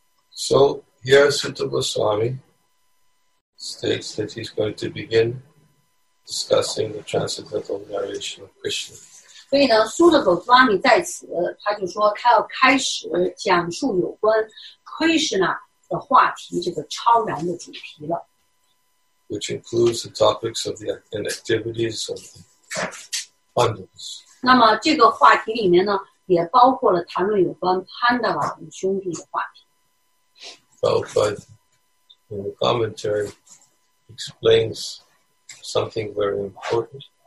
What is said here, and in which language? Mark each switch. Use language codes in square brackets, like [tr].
[en] So here Sutta Goswami states that he's going to begin discussing the transcendental narration of Krishna. [zh] 所以呢，苏德狗庄尼在此，他就说他要开始讲述有关 Krishna 的话题，这个超然的主题了。 Which [en] includes the topics of the activities of Pandavas. [zh] 那么这个话题里面呢，也包括了谈论有关 Pandava 兄弟的话题。Prabhupada, [en] in the commentary, explains something very important.